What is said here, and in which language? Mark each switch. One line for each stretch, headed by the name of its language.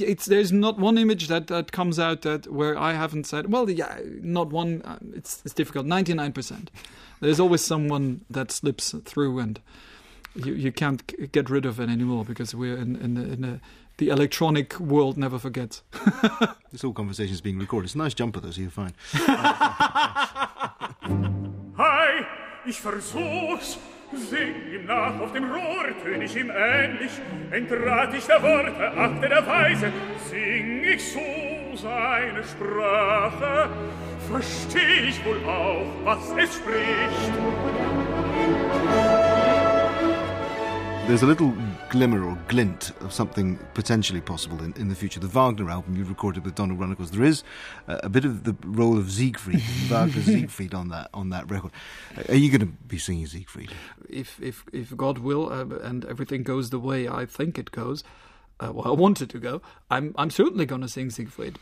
English: There's not one image that comes out that where I haven't said, well, yeah, not one. It's difficult. 99%. There's always someone that slips through and you can't get rid of it anymore because we're in the electronic world never forgets. This whole conversation is being recorded. It's a nice jumper, though, so you're fine.
German: Hi, ich versuch's. Sing ihm nach auf dem Rohr, tön ich ihm ähnlich, entrat ich der Worte, achte der Weise, sing ich so seine Sprache, versteh ich wohl auch, was es spricht.
English: There's a little glimmer or glint of something potentially possible in the future. The Wagner album you've recorded with Donald Runicles, there is a bit of the role of Siegfried, Wagner Siegfried on that record. Are you going to be singing Siegfried? If God will and everything goes the way I think it goes, well, I want it to go, I'm certainly going to sing Siegfried.